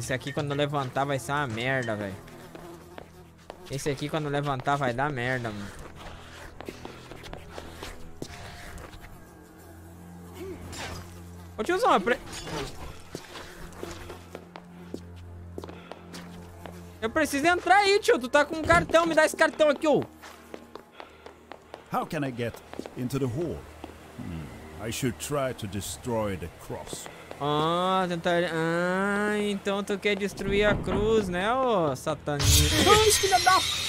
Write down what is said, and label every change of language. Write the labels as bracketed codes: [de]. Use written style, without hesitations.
[pt] Esse aqui quando levantar vai ser uma merda, velho. Esse aqui quando levantar vai dar merda, mano. Ô tiozão, eu preciso entrar aí, tio. Tu tá com um cartão. Me dá esse cartão aqui, ô. [en] How can I get into the hall? I should try to destroy the cross. [pt] Ah, então tu quer destruir a cruz, né, ô satanista? Ai, filha da...